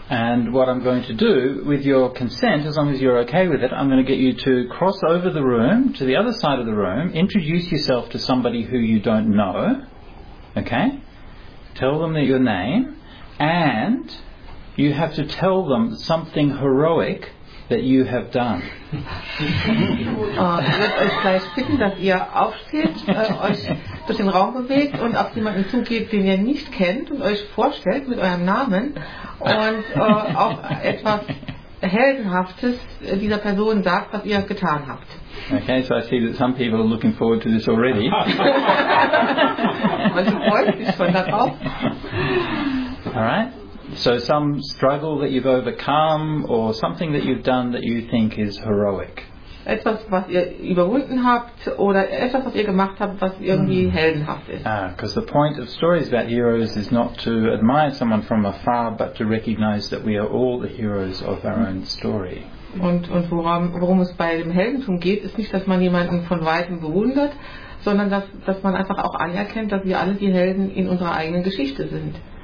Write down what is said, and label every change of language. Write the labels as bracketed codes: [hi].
[en] And what I'm going to do, with your consent, as long as you're okay with it, I'm going to get you to cross over the room to the other side of the room, introduce yourself to somebody who you don't know, okay? Tell them that your name, and you have to tell them something heroic that you have done. [de] Ich würde euch gleich bitten, dass ihr aufsteht, euch durch den Raum bewegt und auf jemanden zugeht, den ihr nicht kennt, und euch vorstellt mit eurem Namen und auch etwas Heldenhaftes dieser Person sagt, was ihr getan habt. [en] Okay, so I see that some people are looking forward to this already. All right. So some struggle that you've overcome, or something that you've done that you think is heroic. [de] Etwas, was ihr überwunden habt, oder etwas, was ihr gemacht habt, was irgendwie heldenhaft ist. [en] Because the point of stories about heroes is not to admire someone from afar, but to recognize that we are all the heroes of our own story. [de] Und worum es bei dem Heldentum geht, ist nicht, dass man jemanden von Weitem bewundert, sondern dass man einfach auch anerkennt, dass wir alle die Helden in unserer eigenen Geschichte sind.